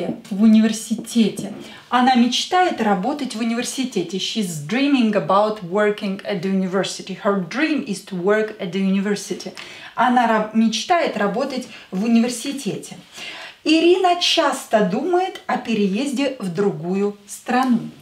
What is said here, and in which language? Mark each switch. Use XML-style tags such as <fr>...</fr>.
<ru>В университете. Она мечтает работать в университете.</ru> <en>She's dreaming about working at the university. Her dream is to work at the university.</en> <ru>Она мечтает работать в университете. Ирина часто думает о переезде в другую страну.</ru>